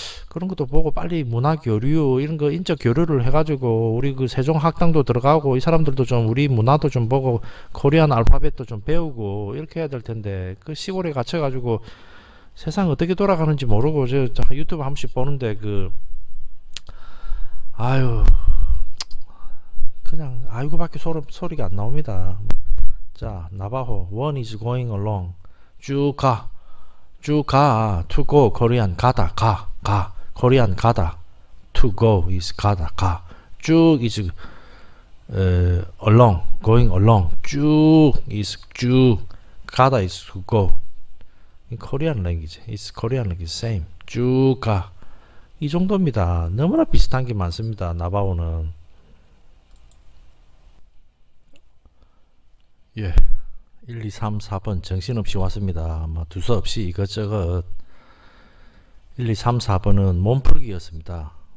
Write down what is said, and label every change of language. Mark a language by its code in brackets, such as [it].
[ko] 그런 것도 보고 빨리 문화 교류 이런 거 인적 교류를 해가지고 우리 그 세종 학당도 들어가고 이 사람들도 좀 우리 문화도 좀 보고 코리안 알파벳도 좀 배우고 이렇게 해야 될 텐데 그 시골에 갇혀가지고 세상 어떻게 돌아가는지 모르고 저 유튜브 한 번씩 보는데 그 아유 그냥 아이고밖에 소리가 안 나옵니다. [en] 자, 나바호, one is going along. 쭉 가, to go, Korean, 가다, 가, Korean, 가다, to go is 가다, 가. 쭉 is, along, going along. 쭉 is 쭉, 가다 is to go. In Korean language, it's Korean language same. [ko] 쭉 가. 이 정도입니다. 너무나 비슷한 게 많습니다. 나바오는. 예. 1, 2, 3, 4번 정신없이 왔습니다. 아마 두서없이 이것저것. 1, 2, 3, 4번은 몸풀기였습니다.